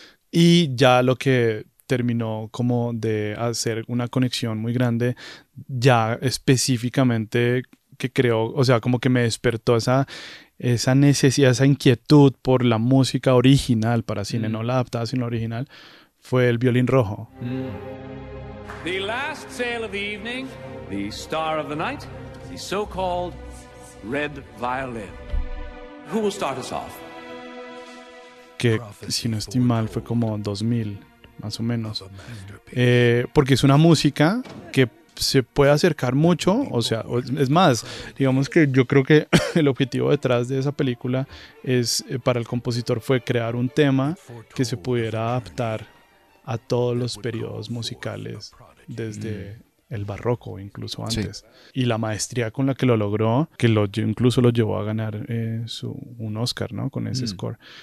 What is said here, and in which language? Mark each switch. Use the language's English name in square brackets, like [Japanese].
[Spanish] Y ya lo que terminó como de hacer una conexión muy grande, ya específicamente que creo, o sea, como que me despertó esa necesidad, esa inquietud por la música original para cine, no la adaptada, sino la original, fue El Violín Rojo. [English] The last sail of the evening, the star of the night, the so-called Red Violin. Who will start us off? [Spanish] Que si no estoy mal fue como 2000 más o menos, porque es una música que se puede acercar mucho, o sea, es más, digamos que yo creo que el objetivo detrás de esa película es, para el compositor, fue crear un tema que se pudiera adaptar a todos los periodos musicales desde el barroco, incluso antes, y la maestría con la que lo logró, que incluso lo llevó a ganar un Oscar, ¿no? Con ese score.